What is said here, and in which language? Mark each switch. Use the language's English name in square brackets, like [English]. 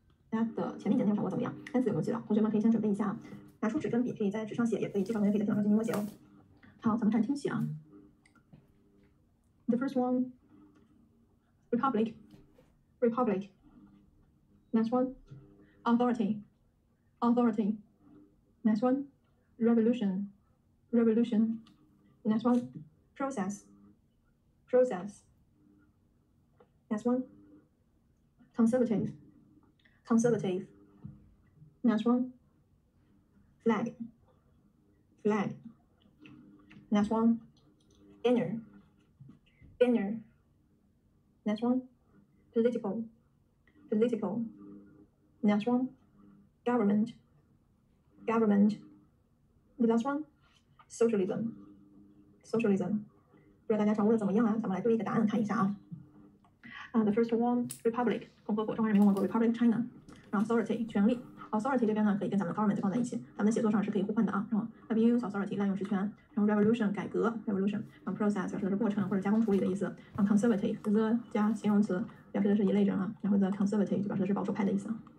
[Chinese] 的前面简介掌握怎么样，单词有没有记牢，同学们可以先准备一下，拿出纸跟笔，可以在纸上写，也可以这方面可以在电脑上进行默写哦。好，咱们看听写啊。 [English] The first one, republic, republic. Next one, authority, authority. Next one, revolution, revolution. Next one, process, process. Next one, conservative, conservative. Next one, flag, flag. Next one, banner. Banner. Next one, political, political. Next one, government, government. The last one, socialism, socialism. [Chinese] 不知道大家掌握的怎么样啊？咱们来对一个答案看一下啊。 [English] The first one, republic, [Chinese] 共和国，中华人民共和国 [English] ，Republic China. [Chinese] Authority, 权力。Authority 这边呢，可以跟咱们 government 放在一起，咱们写作上是可以互换的啊，是吗 ？ [English] Have you used authority [Chinese] 滥用实权？然后 revolution 改革 ，revolution， 然后 process 表示的是过程或者加工处理的意思，然后 conservative the 加形容词表示的是一类人啊，然后 the conservative 就表示的是保守派的意思。